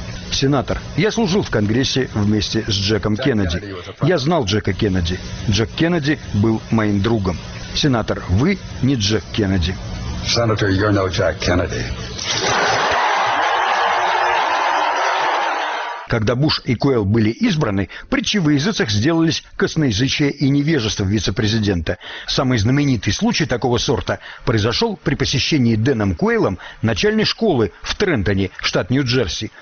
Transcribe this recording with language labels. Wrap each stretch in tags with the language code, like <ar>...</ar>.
<ru>Сенатор, я служил в Конгрессе вместе с Джеком Кеннеди. Я знал Джека Кеннеди. Джек Кеннеди был моим другом. Сенатор, вы не Джек Кеннеди.</ru> <en>Senator, you're no Jack Kennedy.</en> <ru>Когда Буш и Куэйл были избраны, притчи в языцах сделались косноязычие и невежество вице-президента. Самый знаменитый случай такого сорта произошел при посещении Дэном Куэйлом начальной школы в Трентоне, штат Нью-Джерси.</ru>